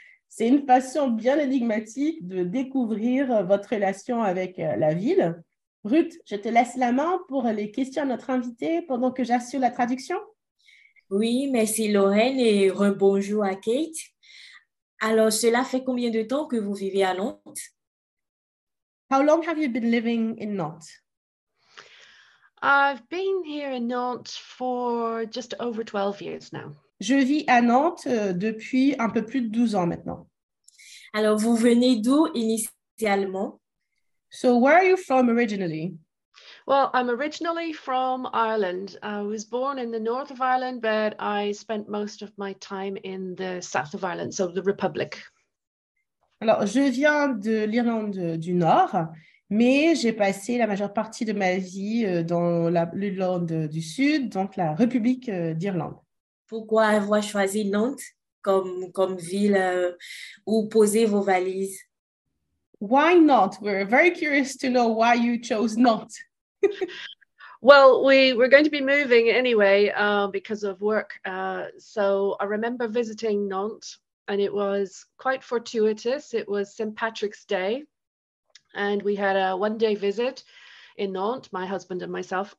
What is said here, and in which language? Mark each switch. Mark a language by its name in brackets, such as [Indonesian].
[French] C'est une façon bien énigmatique de découvrir votre relation avec la ville. Ruth, je te laisse la main pour les questions à notre invité pendant que j'assure la traduction. Oui, merci Lorraine et rebonjour à Kate. Alors, cela fait combien de temps que vous vivez à Nantes? [English] How long have you been living in Nantes? I've been here in Nantes for just over 12 years now. [French] Je vis à Nantes depuis un peu plus de 12 ans maintenant. Alors, vous venez d'où initialement? [English] So where are you from originally? Well, I'm originally from Ireland. I was born in the north of Ireland, but I spent most of my time in the south of Ireland, so the Republic. Alors, je viens de l'Irlande du Nord, mais j'ai passé la majeure partie de ma vie dans l'Irlande du Sud, donc la République d'Irlande. [French] Pourquoi avoir choisi Nantes comme ville où poser vos valises? [English] Why not? We're very curious to know why you chose Nantes. Well, we're going to be moving anyway because of work. So I remember visiting Nantes and it was quite fortuitous. It was St. Patrick's Day and we had a one-day visit in Nantes, my husband and myself.